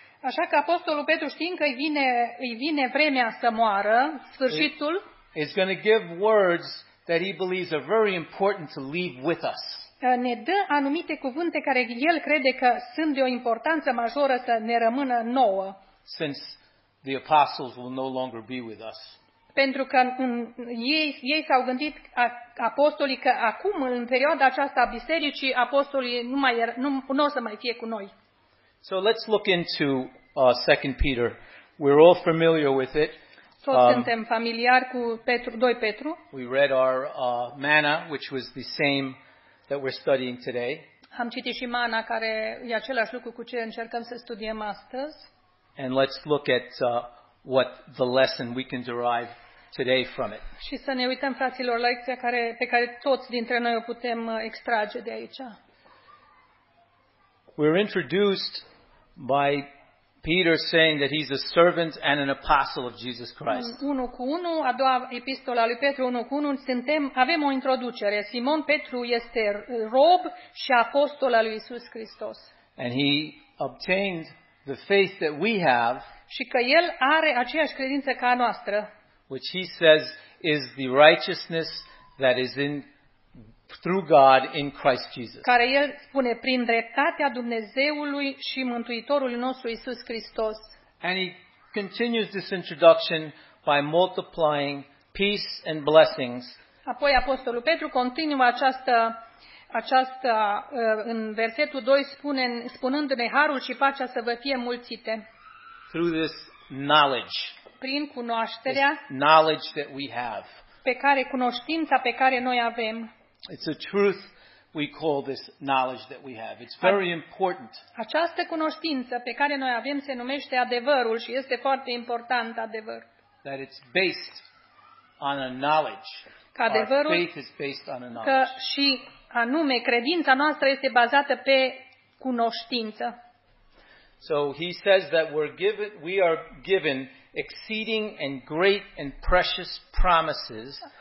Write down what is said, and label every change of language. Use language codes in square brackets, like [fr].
[ro] Așa că apostolul Petru, știind că îi vine vremea să moară, sfârșitul, [en] is going to give words that he believes are very important to leave with us. [ro] Ne dă anumite cuvinte care el crede că sunt de o importanță majoră să ne rămână nouă. [en] Since the apostles will no longer be with us. [ro] Pentru că ei s-au gândit apostolii că acum în perioada aceasta a bisericii apostolii nu o să mai fie cu noi. [en] So let's look into 2 Peter. We're all familiar with it. [ro] Toți suntem familiari cu Petru, 2 Petru. [en] We read our manna, which was the same that we're studying today. [ro] Am citit și manna, care e același lucru cu ce încercăm să studiem astăzi. [en] And let's look at what the lesson we can derive today from it. [ro] Și să ne uităm, fraților, la lecția pe care toți dintre noi o putem extrage de aici. [en] We're introduced by Peter saying that he's a servant and an apostle of Jesus Christ. [ro] 1 cu 1, a doua epistola lui Petru, 1 cu 1, avem o introducere. Simon Petru este rob și apostol al lui Iisus Hristos. [en] And he obtained the faith that we have. [ro] Și că el are aceeași credință ca a noastră. [en] Which he says is the righteousness that is in through God in Christ Jesus. [ro] Care el spune prin dreptatea Dumnezeului și Mântuitorului nostru Iisus Hristos. [en] And he continues this introduction by multiplying peace and blessings. [ro] Apoi apostolul Petru continuă această în versetul 2 spune spunându-ne harul și pacea să vă fie mulțite. [en] Through this knowledge. [ro] Prin cunoașterea. [en] This knowledge that we have. [ro] Pe care cunoștința pe care noi avem. [en] It's a truth we call this knowledge that we have. It's very important. [ro] Această cunoștință pe care noi avem se numește adevărul și este foarte important adevărul. [en] That it's based on a knowledge. [ro] Că adevărul, [en] our faith is based on a knowledge. [ro] Că și anume credința noastră este bazată pe cunoștință. [en] So he says that we are given exceeding and great and precious promises.